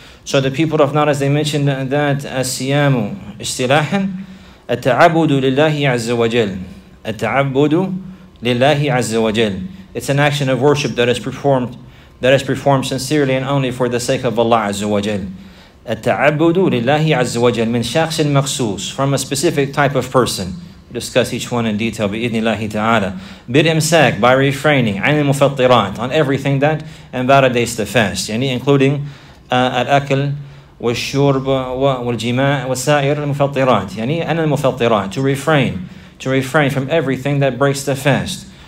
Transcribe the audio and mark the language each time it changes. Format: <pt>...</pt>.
<en>So the people of Nar, as they mentioned, that</en> <ar>as-siyamu istilahan, at-ta'abudu lillahi azza wa jal, at-ta'abudu لِلَّهِ عَزَّ وَجَلْ,</ar> <en>it's an action of worship that is performed sincerely and only for the sake of Allah عز وجل.</en> <ar>التَّعَبُّدُ لِلَّهِ عَزَّ وَجَلْ مِنْ شَخْصٍ مَخْصُوصٍ,</ar> <en>from a specific type of person. We'll discuss each one in detail</en> <ar>بِإِذْنِ اللَّهِ تَعَالَى.</ar> <en>بِالْإِمْسَاكِ, by refraining, عَنِ الْمُفَطِّرَاتِ, on everything that invalidates the fast, يعني including</en> <ar>الأكل والشرب والجماع وسائر المفطرات, يعني عَنِ الْمُفَطِّرَاتِ,</ar> <en>to refrain from everything that breaks the fast.</en>